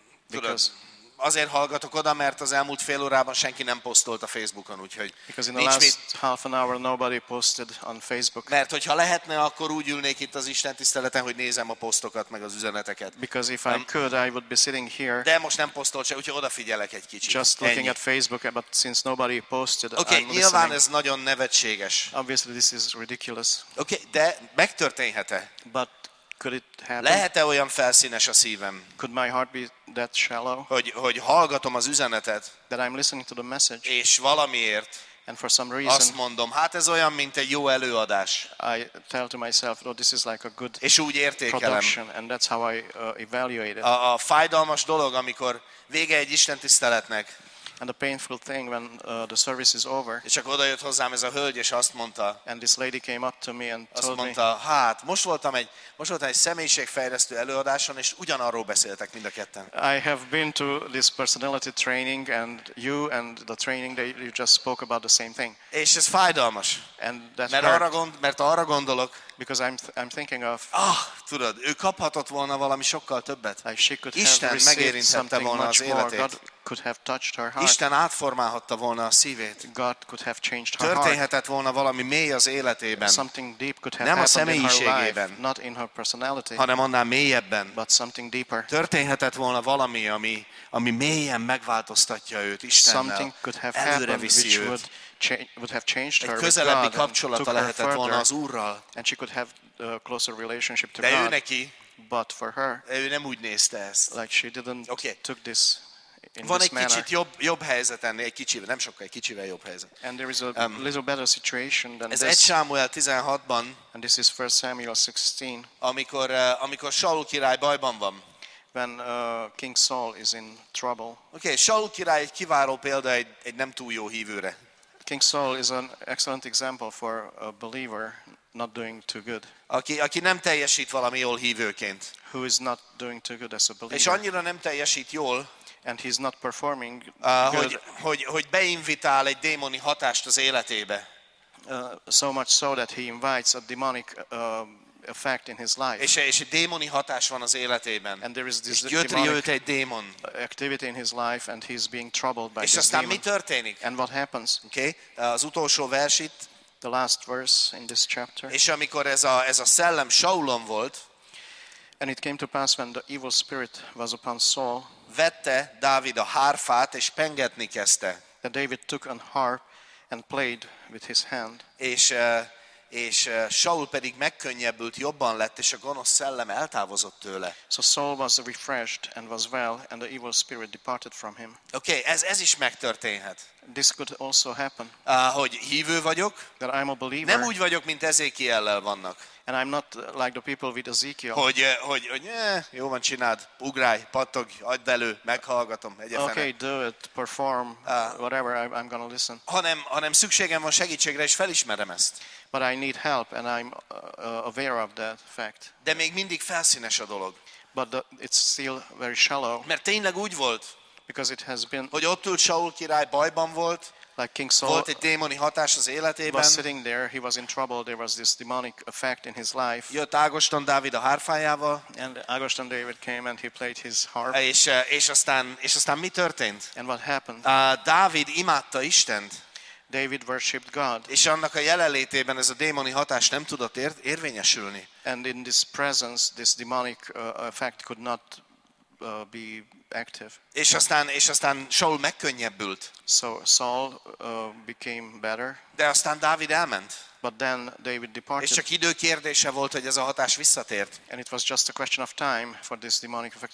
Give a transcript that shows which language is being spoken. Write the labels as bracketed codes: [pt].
[en] because [hu] tudod, azért hallgatok oda, mert az elmúlt fél órában senki nem posztolt a Facebookon, úgyhogy. [en] Because in the last half an hour nobody posted on Facebook. [hu] Mert hogyha lehetne, akkor úgy ülnék itt az Isten tiszteleten, hogy nézem a posztokat meg az üzeneteket. [en] Because if I could, I would be sitting here. [hu] De most nem posztolt se, úgyhogy odafigyelek egy kicsit. [en] Just looking [hu] ennyi. [en] At Facebook, but since nobody posted, okay, I'm listening. [hu] Okay, nyilván ez nagyon nevetséges. [en] Obviously this is ridiculous. [hu] Okay, de megtörténhet-e? [en] But could it happen? [hu] Lehet-e olyan felszínes a szívem? [en] Could my heart be that shallow? [hu] Hogy hallgatom az üzenetet. [en] That I'm listening to the message. [hu] És valamiért. [en] And for some reason. [hu] Azt mondom, hát ez olyan, mint egy jó előadás. [en] I tell to myself, oh, this is like a good. [hu] És úgy értékelem. [en] And that's how I evaluate it. [hu] A fájdalmas dolog, amikor vége egy istentiszteletnek. [en] And the painful thing when the service is over. [hu] És csak odajött hozzám ez a hölgy, és azt mondta. [en] And this lady came up to me and told me. [hu] Azt mondta, hát, most voltam egy személyiségfejlesztő előadáson, és ugyanarról beszéltek mind a ketten. [en] I have been to this personality training and you and the training that you just spoke about the same thing. [hu] És ez fájdalmas. [en] And that [hu] mert arra gondolok. [en] Because I'm thinking of. [hu] Ah, tudod, ő kaphatott volna valami sokkal többet. Isten megérintette volna az életét. [en] Could have touched her heart. [hu] Isten átformálhatta volna a szívét. [en] God could have changed her heart. [hu] Történhetett volna valami mély az életében. [en] Something deep could have [hu] nem a személyiségében, [en] not in her personality, [hu] hanem annál mélyebben. [en] But something deeper. [hu] Történhetett volna valami, ami mélyen megváltoztatja őt Istennel. [en] Something could have happened which would have changed her. [hu] Egy közelebbi kapcsolata lehetett volna az Úrral. [en] And she could have a closer relationship to [hu] de [en] God. [hu] Ő neki, [en] but for her. [hu] Ő nem úgy nézte ezt. [en] Like she didn't okay. Took this. [hu] Van egy kicsit jobb helyzet ennél, egy kicsivel, nem sokkal, egy kicsivel jobb helyzet. [en] And there is a little better situation than [hu] ez [en] this. [hu] Ez 1 Samuel 16-ban. [en] And this is 1 Samuel 16. [hu] Amikor Saul király bajban van. [en] When King Saul is in trouble. [hu] Okay, Saul király egy kiváló példa egy nem túl jó hívőre. [en] King Saul is an excellent example for a believer not doing too good. [hu] Aki nem teljesít valami jól hívőként. [en] Who is not doing too good as a believer. [hu] És annyira nem teljesít jól. [en] And he's not performing [hu] hogy beinvitál egy démoni hatást az életébe. [en] So much so that he invites a demonic effect in his life. [hu] És egy démoni hatás van az életében. [en] And there is this demon activity in his life and he's being troubled by this demon. [hu] És aztán mi történik? [en] And what happens? [hu] Okay. Az utolsó vers itt. [en] The last verse in this chapter. [hu] És amikor ez a szellem Saulon volt. [en] And it came to pass when the evil spirit was upon Saul. [hu] Vette Dávid a hárfát és pengetni kezdte. [en] That David took an harp and played with his hand. [hu] És Saul pedig megkönnyebbült, jobban lett, és a gonosz szellem eltávozott tőle. [en] So Saul was refreshed and was well, and the evil spirit departed from him. [hu] Okay, ez is megtörténhet. [en] This could also happen. [hu] Hogy hívő vagyok? [en] That I'm a believer. [hu] Nem úgy vagyok, mint Ezékiellel vannak. [en] And I'm not like the people with Ezekiel. [hu] Hogy jó van, csináld, ugrálj, pattogj, add elő, meghallgatom, egyetlen. [en] Okay, do it, perform, whatever, I'm gonna listen. [hu] Hanem szükségem van segítségre, és felismerem ezt. [en] But I need help, and I'm aware of that fact. [hu] De még mindig felszínes a dolog. [en] But it's still very shallow. [hu] Mert tényleg úgy volt. [en] Because it has been. [hu] Hogy ott ült Saul király, bajban volt. [en] Like King Saul. [hu] Volt egy démoni hatás az életében. [en] Was sitting there, he was in trouble. There was this demonic effect in his life. [hu] Jött Ágoston Dávid a hárfájával. [en] And Ágoston David came and he played his harp. [hu] És aztán mi történt? [en] And what happened? [hu] Dávid imádta Istent. [en] David worshipped God. [hu] És annak a jelenlétében ez a démoni hatás nem tudott érvényesülni. [en] And in this presence, this demonic effect could not be active. [hu] És aztán Saul megkönnyebbült. [en] So Saul became better. [hu] De aztán Dávid elment. [en] But then David departed. [hu] És csak idő kérdése volt, hogy ez a hatás visszatért. [en] And it was just a question of time for this demonic effect